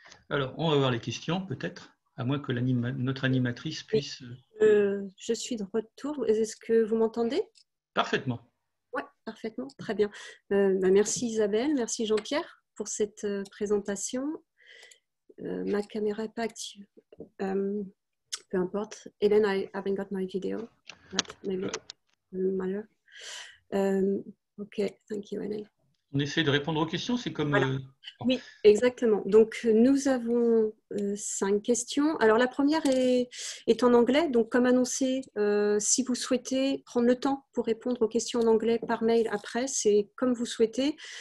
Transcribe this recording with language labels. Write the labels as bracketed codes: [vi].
[fr] Alors, on va voir les questions, peut-être, à moins que notre animatrice puisse... Je suis de retour. Est-ce que vous m'entendez ? Parfaitement. Oui, parfaitement. Très bien. Merci Isabelle, merci Jean-Pierre pour cette présentation. Ma caméra n'est pas active. Peu importe. [en] Hélène, I haven't got my video. But maybe it doesn't matter. Ok, thank you, Hélène. [fr] On essaie de répondre aux questions, c'est comme... Voilà. Oui, exactement. Donc, nous avons 5 questions. Alors, la première est en anglais. Donc, comme annoncé, si vous souhaitez prendre le temps pour répondre aux questions en anglais par mail après, c'est comme vous souhaitez.